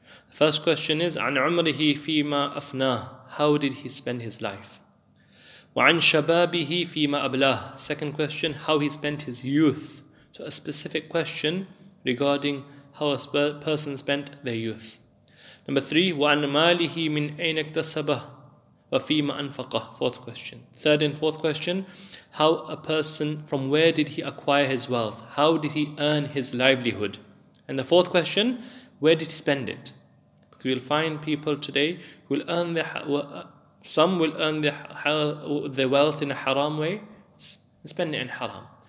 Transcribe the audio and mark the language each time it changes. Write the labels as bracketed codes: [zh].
[en] The first question is, [ar] عَنْ عُمْرِهِ فِي مَا أَفْنَاهُ, [en] how did he spend his life? [ar] وَعَنْ شَبَابِهِ فِي مَا أَبْلَاهُ, [en] second question, how he spent his youth. So a specific question regarding how a person spent their youth. Number three, [ar] وَعَنْ مَالِهِ مِنْ أَيْنَ اكْتَسَبَهُ وَفِي مَا أَنْفَقَهُ, [en] fourth question. Third and fourth question, how a person, from where did he acquire his wealth? How did he earn his livelihood? And the fourth question, where did he spend it? Because we'll find people today who will earn their, some will earn their wealth in a haram way, spend it in haram.